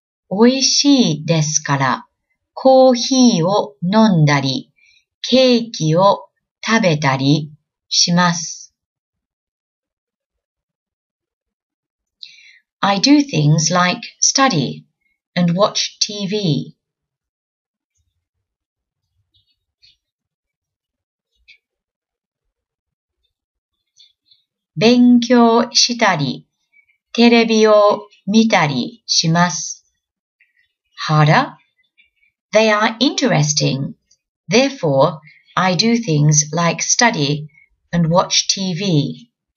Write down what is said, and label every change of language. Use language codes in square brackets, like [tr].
[ja] 美味しいですから、コーヒーを飲んだり、ケーキを食べたりします。 [en] I do things like study and watch TV. [ja] 勉強したり、テレビを見たりします。 [en] Harder? They are interesting. Therefore, I do things like study and watch TV.